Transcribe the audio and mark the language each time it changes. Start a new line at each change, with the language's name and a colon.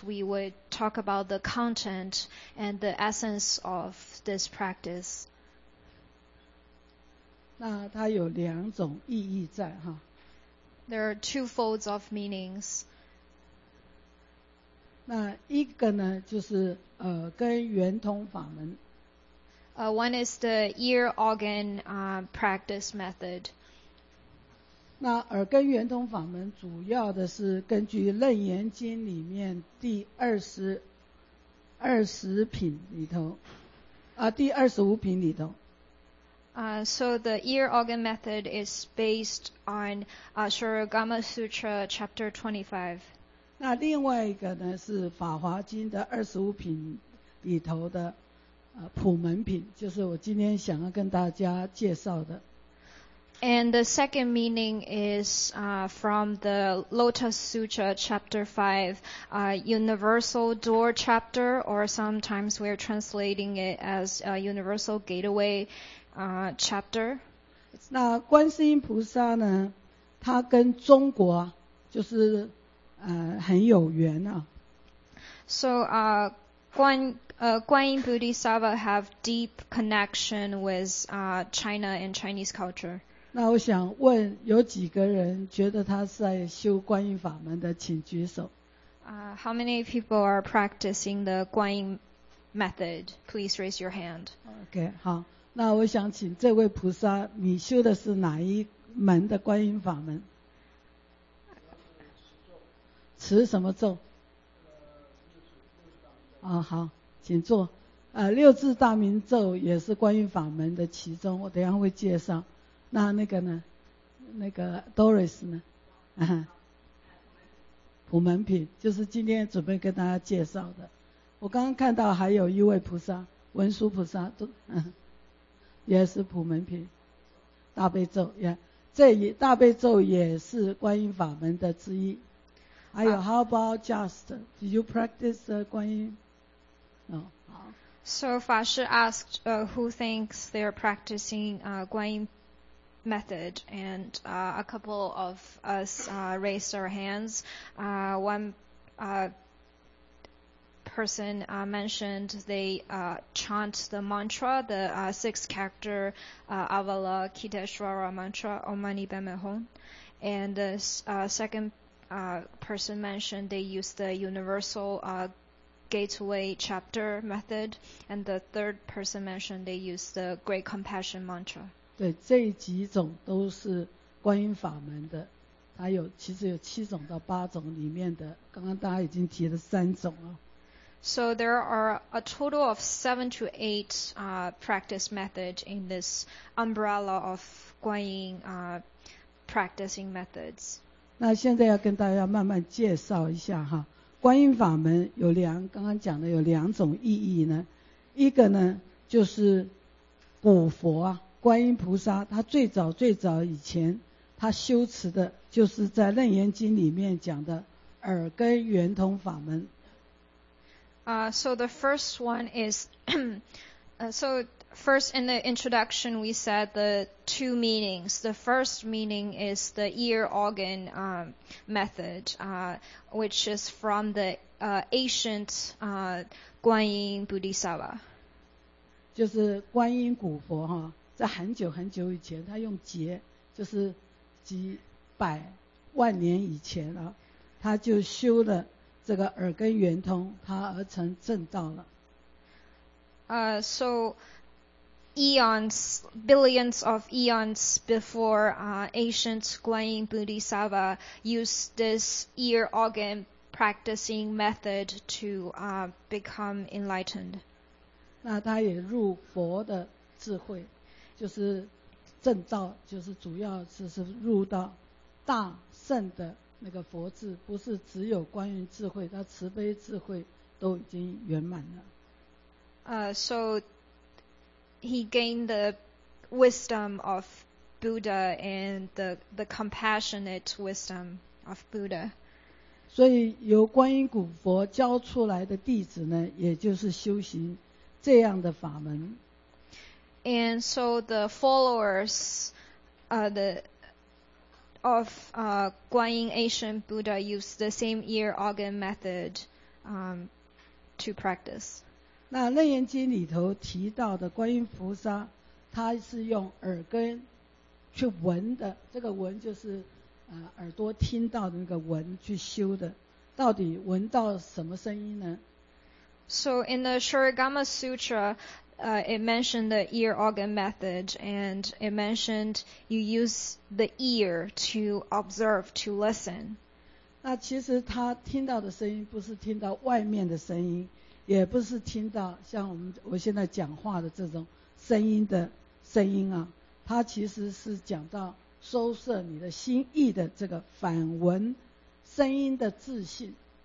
English: We would talk about the content and the essence of this practice.
Chinese: 那它有两种意义在哈。
English: There are two folds of meanings.
Chinese: 那一个呢，就是跟圆通法门。
English: One is the ear organ practice method.
Chinese: 那耳根圆通法门主要的是根据《楞严经》里面第二十品里头，第二十五品里头。
English: So the ear organ method is based on Shirogama Sutra chapter 25.
Chinese: 那另外一个呢是《法华经》的二十五品里头的普门品，就是我今天想要跟大家介绍的。
English: And the second meaning is from the Lotus Sutra, chapter 5, universal door chapter, or sometimes we're translating it as a universal gateway chapter.
Chinese: 那观世音菩萨呢，他跟中国就是很有缘啊。
English: So, 观音菩提萨婆 have deep connection with China and Chinese culture.
Chinese: 那我想问，有几个人觉得他是在修观音法门的，请举手。
English: How many people are practicing the 观音 method? Please raise your hand.
Chinese: Okay, 好。那我想请这位菩萨，你修的是哪一门的观音法门？持什么咒？啊，好，请坐。六字大明咒也是观音法门的其中，我等一下会介绍。那那个呢？那个 Doris 呢？普门品就是今天准备跟大家介绍的。我刚刚看到还有一位菩萨，文殊菩萨都。也是普门品大悲咒、yeah. 这也大悲咒也是观音法门的之一还有
English: How about just Did you practice the
Chinese: 观音、
English: So 法师 asked who thinks they're practicing 观音method and a couple of us raised our hands one person mentioned they chant the mantra, the six-character Avalokiteshvara mantra, Om Mani Padme Hum. And the second person mentioned they use the universal gateway chapter method. And the third person mentioned they use the Great Compassion mantra.
Chinese: 对，这几种都是观音法门的，它有其实有七种到八种里面的，刚刚大家已经提了三种了。
English: So there are a total of 7 to 8 practice methods in this umbrella of 观音 practicing methods.
Chinese: 那现在要跟大家慢慢介绍一下哈，观音法门有两，刚刚讲的有两种意义呢。一个呢就是古佛啊，观音菩萨，他最早最早以前他修持的就是在《楞严经》里面讲的耳根圆通法门。
English: So the first one is, so first in the introduction we said the two meanings. The first meaning is the ear organ method, which is from the ancient 观音菩提萨婆。
Chinese: 就是观音古佛哈，在很久很久以前，他用劫，就是几百万年以前啊，他就修了。这个耳根圆通，它而成正道了。
English: So eons, billions of eons before, ancient 观音菩提萨婆 used this ear organ practicing method to become enlightened.
Chinese: 那他也入佛的智慧，就是正道，就是主要是入到大圣的。那个佛智不是只有观音智慧，他慈悲智慧都已经圆满了。
English: So he gained the wisdom of Buddha and the compassionate wisdom of Buddha.
Chinese: 所以由观音古佛教出来的弟子呢，也就是修行这样的法门。
English: And so the followers, of 观音 ancient Buddha used the same ear organ method to practice.
Chinese: 那《楞严经》里头提到的观音菩萨，他是用耳根去闻的，这个闻就是耳朵听到的那个闻去修的。到底闻到什么声音呢？
English: So in the Shirogama Sutra, it mentioned the ear organ method, and it mentioned you use the ear to observe, to listen.
Chinese: 那其实他听到的声音不是听到外面的声音，也不是听到像我现在讲话的这种声音的声音啊，他其实是讲到收摄你的心意的这个反闻声音的自信。